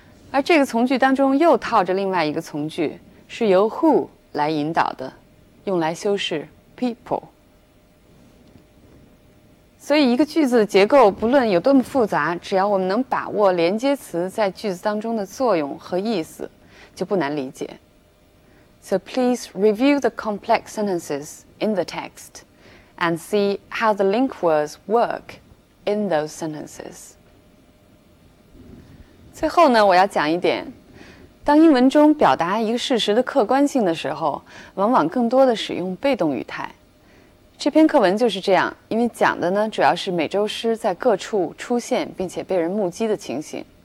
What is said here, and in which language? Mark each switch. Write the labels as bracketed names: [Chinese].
[Chinese] 而这个从句当中又套着另外一个从句，是由 who 来引导的，用来修饰 people。所以一个句子的结构不论有多么复杂，只要我们能把握连接词在句子当中的作用和意思，就不难理解。 [English] So please review the complex sentences in the text and see how the link words work in those sentences. [Chinese] 最后呢，我要讲一点，当英文中表达一个事实的客观性的时候，往往更多的使用被动语态。这篇课文就是这样，因为讲的呢主要是美洲狮在各处出现并且被人目击的情形。